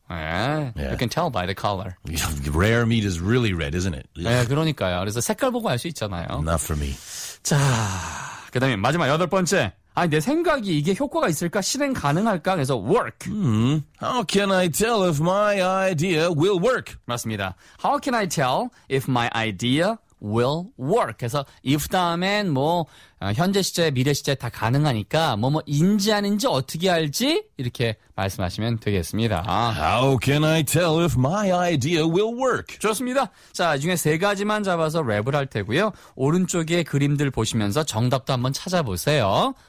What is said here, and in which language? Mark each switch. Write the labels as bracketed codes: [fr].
[en] Yeah. You can tell by the color. Rare meat is really red, isn't it? [ko] Yeah. 네, 그러니까요. 그래서 색깔 보고 알 수 있잖아요. [en] Not for me. [ko] 자, 그 다음에 마지막 여덟 번째. 아니, 내 생각이 이게 효과가 있을까? 실행 가능할까? 그래서 work. [en] How can I tell if my idea will work? [ko] 맞습니다. [en] How can I tell if my idea will work? [ko] 그래서 if 다음엔 뭐 현재 시제, 미래 시제 다 가능하니까 뭐뭐 인지 아닌지 어떻게 알지? 이렇게 말씀하시면 되겠습니다. [en] How can I tell if my idea will work? [ko] 좋습니다. 자, 이 중에 세 가지만 잡아서 랩을 할 테고요. 오른쪽에 그림들 보시면서 정답도 한번 찾아보세요.